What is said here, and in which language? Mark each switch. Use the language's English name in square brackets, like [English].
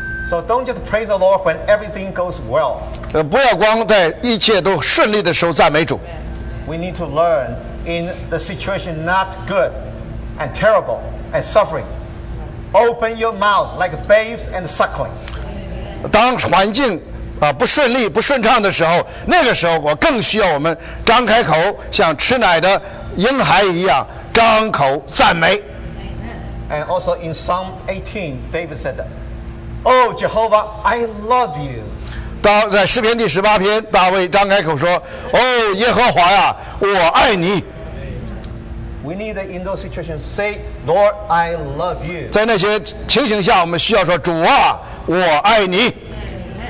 [English] So don't just praise the Lord when everything goes well. [Chinese] 不要光在一切都顺利的时候赞美主。 [English] We need to learn in the situation not good and terrible and suffering. Open your mouth like babes and suckling. [Chinese] 当环境不顺利不顺畅的时候，那个时候我更需要我们张开口像吃奶的婴孩一样张口赞美。 [English] And also in Psalm 18, David said, Oh Jehovah, I love you. [Chinese] 当在诗篇第十八篇，大卫张开口说：“哦，耶和华呀，我爱你。” [English] We need in those situations say, Lord, I love you. [Chinese] 在那些情形下，我们需要说：“主啊，我爱你。”